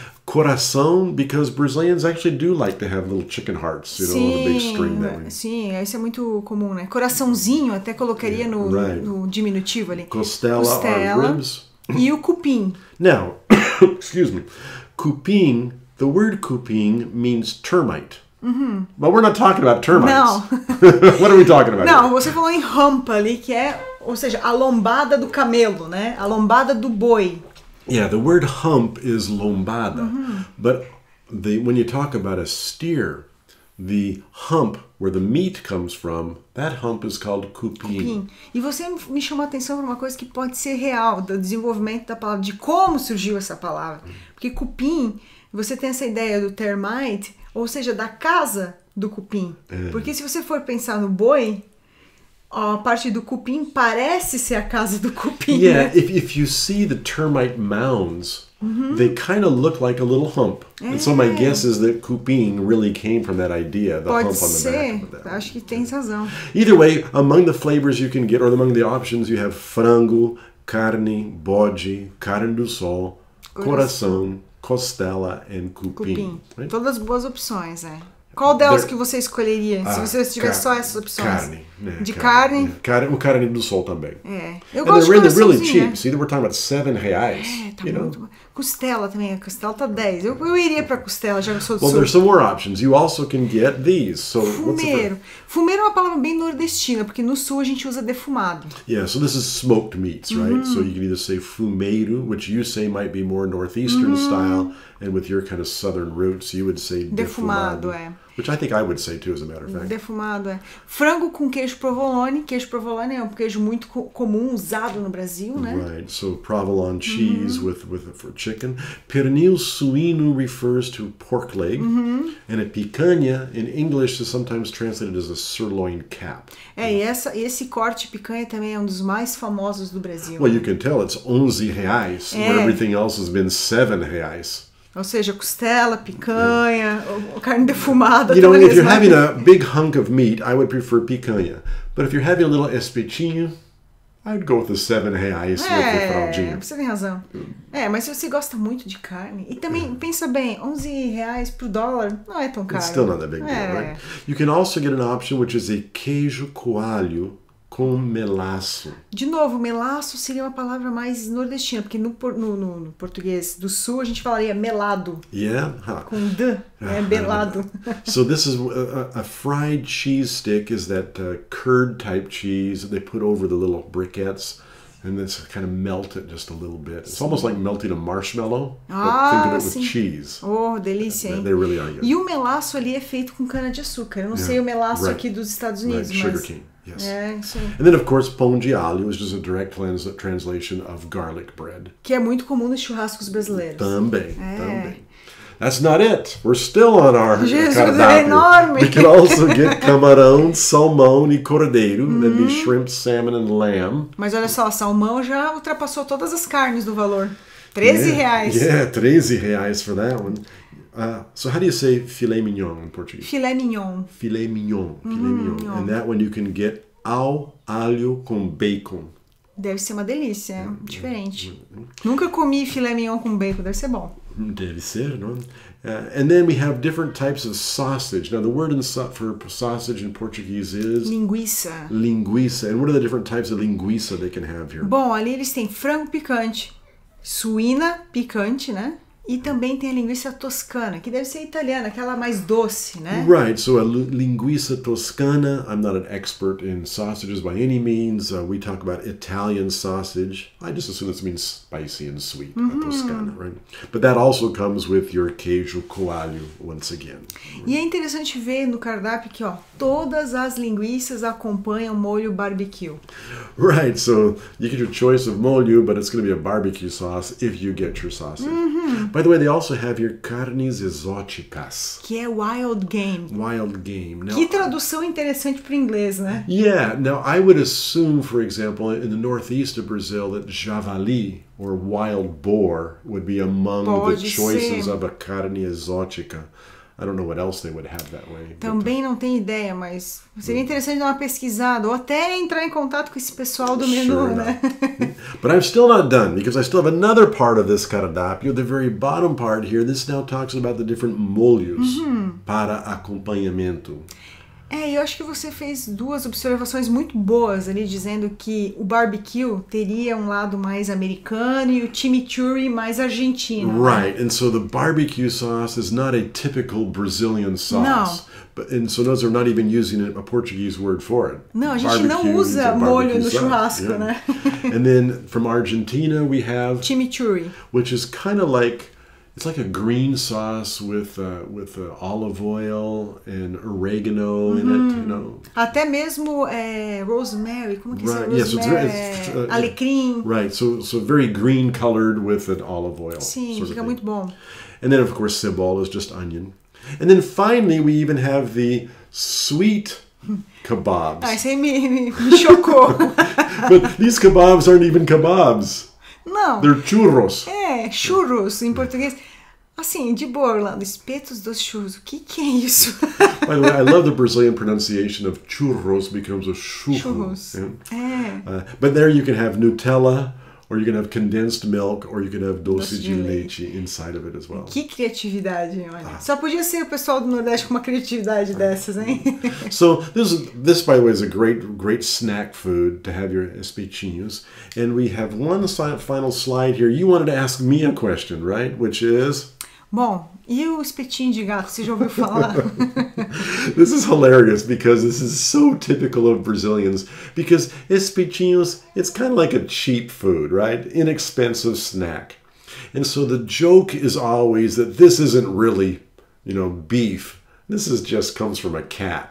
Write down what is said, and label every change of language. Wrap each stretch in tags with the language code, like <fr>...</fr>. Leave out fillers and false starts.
<en>Coração, because Brazilians actually do like to have little chicken hearts, you know,</en> <pt>sim,</pt> <en>on the big string there.</en> <pt>Sim, isso é muito comum, né? Coraçãozinho, até colocaria no diminutivo ali.</pt> <en>Costela. Or ribs.</en> <pt>E o cupim.</pt> <en>Now, excuse me. Cupim, the word cupim means termite. Uh-huh. But we're not talking about termites.</en> <pt>Não.</pt> <en>What are we talking about?</en> <pt>Não, você falou em rampa ali, que é, ou seja, a lombada do camelo, né? A lombada do boi.</pt> <en>Yeah, the word hump is lombada, but when you talk about a steer, the hump, where the meat comes from, that hump is called cupim.</en> <pt>E você me chamou a atenção para uma coisa que pode ser real, do desenvolvimento da palavra, de como surgiu essa palavra. Porque cupim, você tem essa ideia do termite, ou seja, da casa do cupim. É. Porque se você for pensar no boi, a parte do cupim parece ser a casa do cupim.</pt> <en>Yeah, né? if you see the termite mounds, uh-huh, they kind of look like a little hump. É. And so my guess is that cupim really came from that idea, the</en> <pt>pode</pt> <en>hump</en> <pt>ser</pt> <en>on the back of that.</en> <pt>Acho que tem razão.</pt> <en>Either way, among the flavors you can get, or among the options, you have frango, carne, bode, carne do sol, coração, costela, and cupim. Right?</en> <pt>Todas boas opções, é. Qual delas que você escolheria, se você tivesse só essas opções? Carne. Né, de carne? Carne. Yeah. Carne, o carne do sol também. É. Eu gosto de</pt> <en>coraçãozinha. Really cheap. See, we're talking about R$7.</en> <pt>É, tá muito bom. Costela também. A costela tá 10. Eu iria pra costela, já que eu sou do sul.</pt> <en>Well, there's some more options. You also can get these. So,</en> <pt>fumeiro. Fumeiro é uma palavra bem nordestina, porque no sul a gente usa defumado.</pt> <en>Yeah, so this is smoked meats, right? Mm-hmm. So you can either say fumeiro, which you say might be more northeastern mm-hmm. style, and with your kind of southern roots, you would say defumado.</en> <pt>Defumado, é.</pt> <en>Which I think I would say too, as a matter of fact.</en> <pt>Defumado, é. Frango com queijo provolone. Queijo provolone é um queijo muito comum, usado no Brasil, né?</pt> <en>Right, so provolone cheese mm-hmm. with for chicken. Pernil suíno refers to pork leg. Mm-hmm. And a picanha, in English, is sometimes translated as a sirloin cap.</en> <pt>É, yeah. e esse corte picanha também é um dos mais famosos do Brasil.</pt> <en>Well, you can tell it's R$11, where everything else has been R$7.</en> <pt>Ou seja, costela, picanha, yeah. carne defumada.</pt> <en>You know, if you're having a big hunk of meat, I would prefer picanha. But if you're having a little espetinho, I'd go with the R$7 with the fraldinha.</en> <pt>Você tem razão. É, mas se você gosta muito de carne, e também, pensa bem, R$11 pro dólar não é tão caro.</pt> <en>It's still not a big deal, right? You can also get an option, which is a queijo coalho com melaço.</en> <pt>De novo, melaço seria uma palavra mais nordestina, porque no português do sul a gente falaria melado.</pt> <en>Yeah. Huh.</en> <pt>Com d, é melado.</pt> <en>So this is a fried cheese stick, is that curd type cheese that they put over the little briquettes and then kind of melt it just a little bit. It's almost like melting a marshmallow, but think of it</en> <pt>sim.</pt> <en>with cheese.</en> <pt>Oh, delícia, hein?</pt> <en>They really are, yeah.</en> <pt>E o melaço ali é feito com cana de açúcar. Eu não</pt> <en>yeah.</en> <pt>sei o melaço right. aqui dos Estados Unidos,</pt> <en>right.</en> <pt>mas...</pt> <en>Sugar cane. Yes. Yeah, and then, of course, pão de alho, which is a direct translation of garlic bread.</en> <pt>Que é muito comum nos churrascos brasileiros.</pt> <en>Também. That's not it. We're still on our</en> <pt>cardápio. Jesus, é enorme.</pt> <en>We can also get</en> <pt>camarão, salmão e cordeiro.</pt> <en>That'd be shrimp, salmon and lamb.</en> <pt>Mas olha só, salmão já ultrapassou todas as carnes do valor. R$13.</pt> <en>Yeah, R$13 for that one. So how do you say filé mignon in Portuguese?</en> <pt>Filé mignon.</pt> <en>And that one you can get</en> <pt>ao alho com bacon. Deve ser uma delícia, diferente. Mm-hmm. Nunca comi filé mignon com bacon, deve ser bom. Deve ser, não?</pt> <en>And then we have different types of sausage. Now the word for sausage in Portuguese is...</en> <pt>Linguiça. Linguiça.</pt> <en>And what are the different types of linguiça they can have here?</en> <pt>Bom, ali eles têm frango picante, suína picante, né? E também tem a linguiça toscana, que deve ser italiana, aquela mais doce, né?</pt> <en>Right, so a linguiça toscana, I'm not an expert in sausages by any means. We talk about Italian sausage. I just assume this means spicy and sweet, mm-hmm. a toscana, right? But that also comes with your queijo coalho, once again.</en> <pt>E é interessante ver no cardápio que, ó, todas as linguiças acompanham molho barbecue.</pt> <en>Right, so you get your choice of molho, but it's going to be a barbecue sauce if you get your sausage. Mm-hmm. By the way, they also have your carnes exóticas.</en> <pt>Que é wild game.</pt> <en>Wild game. Now,</en> <pt>que tradução interessante para o inglês, né?</pt> <en>Yeah. Now, I would assume, for example, in the northeast of Brazil, that javali, or wild boar, would be among</en> <pt>Pode</pt> <en>the choices</en> <pt>ser.</pt> <en>Of a carne exótica. I don't know what else they would have that way.</en> <pt>Também não tenho ideia, mas seria interessante dar uma pesquisada ou até entrar em contato com esse pessoal do menu,</pt> <en>sure</en> <pt>né?</pt> <en>But I'm still not done, because I still have another part of this cardápio, the very bottom part here. This now talks about the different molhos uh-huh.</en> <pt>para acompanhamento. É, eu acho que você fez duas observações muito boas ali, dizendo que o barbecue teria um lado mais americano e o chimichurri mais argentino.</pt> <en>Right, and so the barbecue sauce is not a typical Brazilian sauce.</en> <pt>Não.</pt> <en>But, and so those are not even using a Portuguese word for it.</en> <pt>Não, a gente barbecue não usa molho no churrasco,</pt> <en>yeah.</en> <pt>né?</pt> <en>And then from Argentina we have...</en> <pt>Chimichurri.</pt> <en>Which is kind of like... It's like a green sauce with olive oil and oregano mm-hmm. in it, you know.</en> <pt>Até mesmo rosemary, como que</pt> <en>right.</en> <pt>se rosemary?</pt> <en>Yeah, so</en> <pt>alecrim.</pt> <en>Right, so very green colored with an olive oil.</en> <pt>Sim, fica muito bom.</pt> <en>And then of course cebola is just onion. And then finally, we even have the sweet kebabs.</en> <pt>Ah, isso aí me chocou.</pt> <en>But these kebabs aren't even kebabs.</en> <pt>Não.</pt> <en>They're churros.</en> <pt>É, churros, em português. Assim, de boa, Orlando, espetos dos churros. O que que é isso?</pt> <en>By the way, I love the Brazilian pronunciation of churros becomes a churro.</en> <pt>Churros. Yeah. É.</pt> <en>But there you can have Nutella, or you can have condensed milk, or you can have doce de leite inside of it as well.</en> <pt>Que criatividade, olha. Ah. Só podia ser o pessoal do Nordeste com uma criatividade dessas, hein?</pt> <en>So, this by the way, is a great, great snack food to have your espetinhos. And we have one final slide here. You wanted to ask me a question, right? Which is?</en> <pt>Bom, e o espetinho de gato, você já ouviu falar?</pt> <en>This is hilarious because this is so typical of Brazilians. Because espetinhos, it's kind of like a cheap food, right? Inexpensive snack. And so the joke is always that this isn't really, you know, beef. This is just comes from a cat.</en>